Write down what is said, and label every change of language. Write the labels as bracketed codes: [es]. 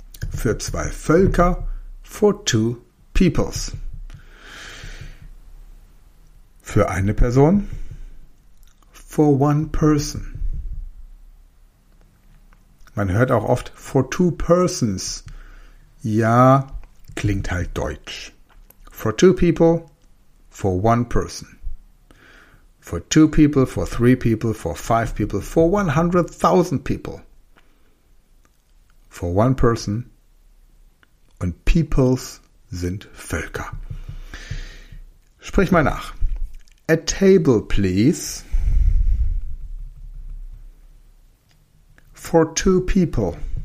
[de] Für zwei Völker, [en] for two peoples. [de] Für eine Person, [en] for one person. [de] Man hört auch oft [en] for two persons. [de] Ja, klingt halt deutsch. [en] For two people, for one person. For two people, for three people, for five people, for 100,000 people. For one person. [de] Und Peoples sind Völker. Sprich mal nach. [en] A table, please. For two people.